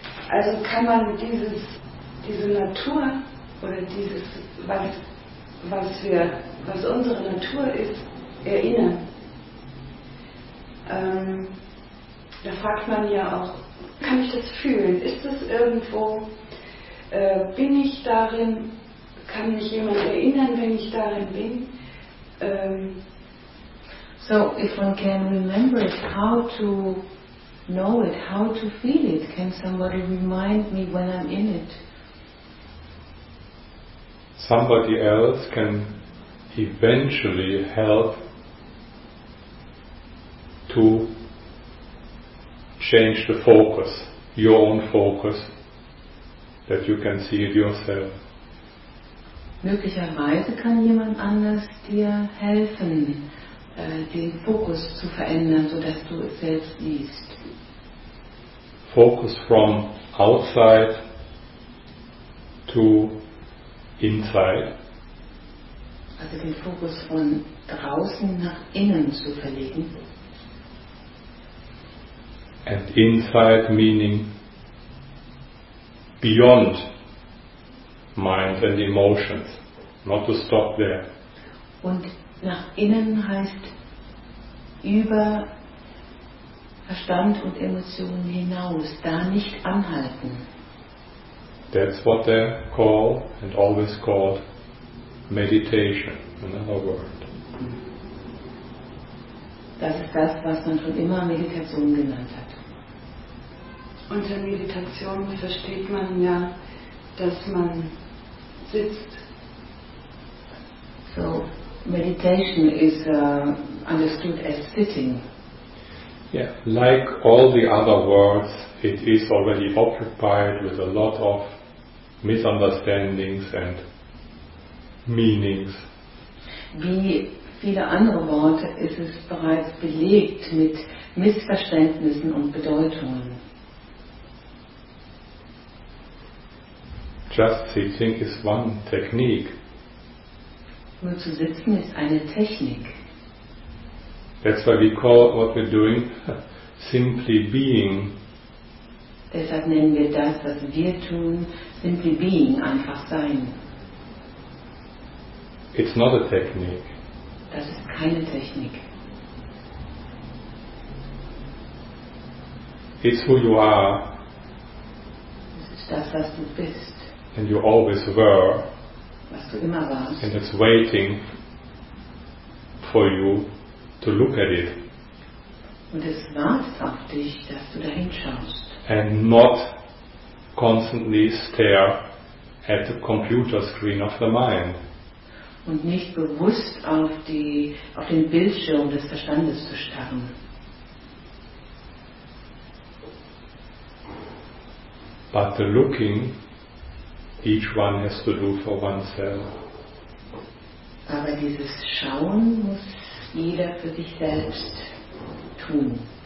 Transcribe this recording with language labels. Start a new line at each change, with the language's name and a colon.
German: Also kann man diese Natur oder dieses, was unsere Natur ist, erinnern. Da fragt man ja auch, kann ich das fühlen? Ist das irgendwo? Bin ich darin? Kann mich jemand erinnern, wenn ich darin bin?
English: So, if one can remember it, how to know it, how to feel it? Can somebody remind me when I'm in it? Somebody else can eventually help to change the focus, your own focus, that you can see it yourself.
German: Möglicherweise kann jemand anders dir helfen, den Fokus zu verändern, so dass du es selbst siehst.
English: Focus from outside to inside.
German: Also den Fokus von draußen nach innen zu verlegen.
English: And inside meaning beyond mind and emotions, not to stop there.
German: Und nach innen heißt über Verstand und Emotionen hinaus, da nicht anhalten.
English: That's what they call and always called meditation, another word.
German: Das ist das, was man schon immer Meditation genannt hat. Unter Meditation versteht man ja, dass man sitzt.
English: So, meditation is understood as sitting. Yeah, like all the other words, it is already occupied with a lot of misunderstandings and meanings.
German: Wie viele andere Worte ist es bereits belegt mit Missverständnissen und Bedeutungen.
English: Just sitting is one technique.
German: Nur zu sitzen ist eine Technik.
English: That's why we call what we're doing simply being.
German: Deshalb nennen wir das, was wir tun,
English: simply being,
German: einfach sein.
English: It's not a technique.
German: Das ist keine Technik.
English: It's who you are.
German: Das ist das, was du bist.
English: And you always were.
German: Was du immer warst.
English: And it's waiting for you to look at it.
German: Und es wartet auf dich, dass du dahin schaust.
English: And not constantly stare at the computer screen of the mind.
German: Und nicht bewusst auf den Bildschirm des Verstandes zu starren.
English: But the looking each one has to do for oneself.
German: Aber dieses Schauen muss jeder für sich selbst tun.